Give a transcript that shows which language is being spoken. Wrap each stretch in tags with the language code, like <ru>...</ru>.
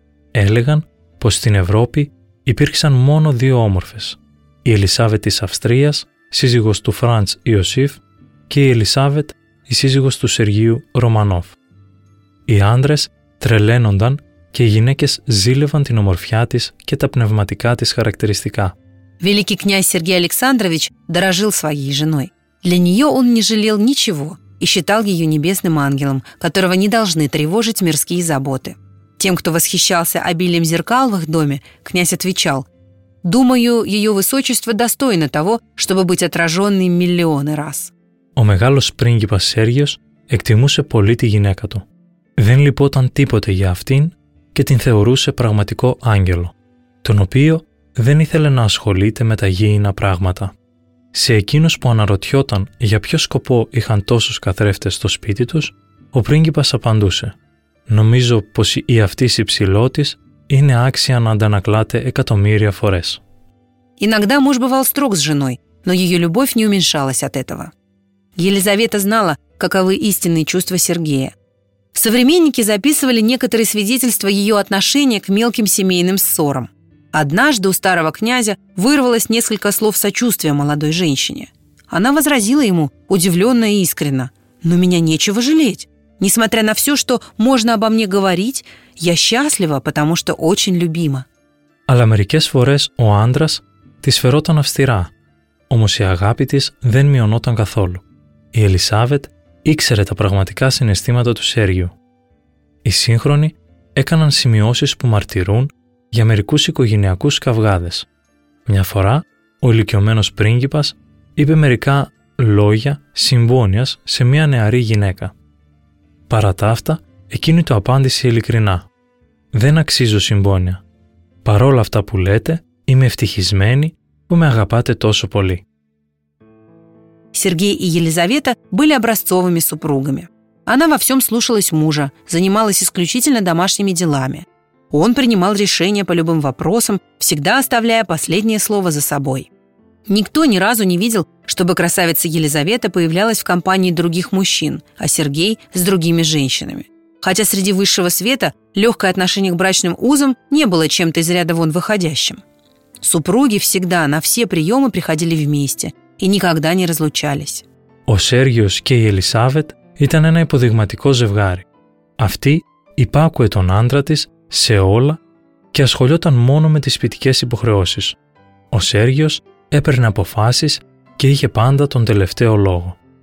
<el>Έλεγαν πως στην Ευρώπη υπήρξαν μόνο δύο όμορφες, η Ελισάβετ της Αυστρίας, σύζυγος του Φραντς Ιωσήφ, και η Ελισάβετ, η σύζυγος του Σεργίου Ρωμανόφ. Οι άντρες τρελαίνονταν και οι γυναίκες ζήλευαν την ομορφιά της και τα πνευματικά της χαρακτηριστικά.</el> <ru>Великий князь Сергей Александрович дорожил своей женой. Для нее он не жалел ничего и считал ее небесным ангелом, которого не должны тревожить мирские заботы. Тем, кто восхищался обилием зеркал в их доме, князь отвечал: «Думаю, ее высочество достойно того, чтобы быть отраженной миллионы раз».</ru> <el>Ο μεγάλος πρίγκιπας Σέργιος εκτιμούσε πολύ τη γυναίκα του. Δεν λυπόταν τίποτε για αυτήν και την θεωρούσε πραγματικό άγγελο, τον οποίο δεν ήθελε να ασχολείται με τα γήινα πράγματα. Σε εκείνους που αναρωτιόταν για ποιο σκοπό είχαν τόσους καθρέφτες στο σπίτι τους, ο πρίγκιπας απαντούσε: «Νομίζω πως η αυτής η ψηλό της είναι άξια να αντανακλάται εκατομμύρια φορές».</el> <ru>Иногда муж бывал строг с женой, но ее любовь не уменьшалась от этого. Елизавета знала, каковы истинные чувства Сергея. Современники записывали некоторые свидетельства ее отношения к мелким семейным ссорам. Однажды у старого князя вырвалось несколько слов сочувствия молодой женщине. Она возразила ему, удивленно и искренно: «Но меня нечего жалеть. Несмотря на все, что можно обо мне говорить, я счастлива, потому что очень любима».</ru> <el>Але мерикес форес о андрас тис фероτον αυστηρά, όμως η αγάπη της δεν μειωνόταν καθόλου. Η Ελισάβετ ήξερε τα πραγματικά συναισθήματα του Σέργιου. Οι σύγχρονοι έκαναν σημειώσεις που μαρτυρούν για μερικούς οικογενειακούς καυγάδες. Μια φορά, ο ηλικιωμένος πρίγκιπας είπε μερικά λόγια συμπόνιας σε μια νεαρή γυναίκα. Παρά τα αυτά, εκείνη το απάντησε ειλικρινά: «Δεν αξίζω συμπόνια. Παρόλα αυτά που λέτε, είμαι ευτυχισμένη που με αγαπάτε τόσο πολύ».</el> <ru>Сергей и Елизавета были образцовыми супругами. Она во всем слушалась мужа, занималась исключительно домашними делами. Он принимал решения по любым вопросам, всегда оставляя последнее слово за собой. Никто ни разу не видел, чтобы красавица Елизавета появлялась в компании других мужчин, а Сергей – с другими женщинами. Хотя среди высшего света легкое отношение к брачным узам не было чем-то из ряда вон выходящим. Супруги всегда на все приемы приходили вместе – и никогда не разлучались.</ru> <el>Ο Σέργιος και η Ελισάβετ ήταν ένα υποδειγματικό ζευγάρι. Αυτή υπάκουε τον άντρα της σε όλα και ασχολιόταν μόνο με τις σπιτικές υποχρεώσεις. Ο Σέργιος έπαιρνε αποφάσεις και είχε πάντα τον τελευταίο λόγο.</el>